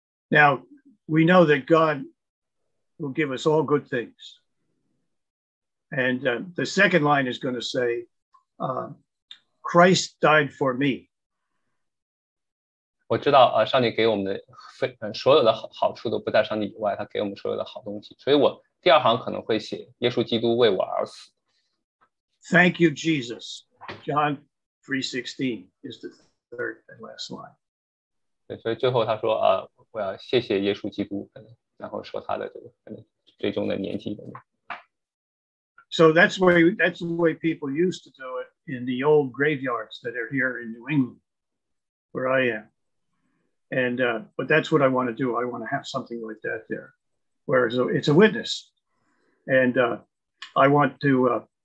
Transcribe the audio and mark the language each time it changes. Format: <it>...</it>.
<en>Now we know that God will give us all good things. And the second line is going to say, Christ died for me.</en> <zh>我知道上帝给我们的所有的好处都不在上帝以外，他给我们所有的好东西。所以我第二行可能会写耶稣基督为我而死。</zh> <en>Thank you, Jesus. John 3:16 is the third and last line.</en> <zh>对，所以最后他说我要谢谢耶稣基督，然后说他的这个最终的年纪等等。</zh> <en>So that's the way people used to do it in the old graveyards that are here in New England, where I am. And, but that's what I want to do. I want to have something like that there, where it's a witness. And I want to</en>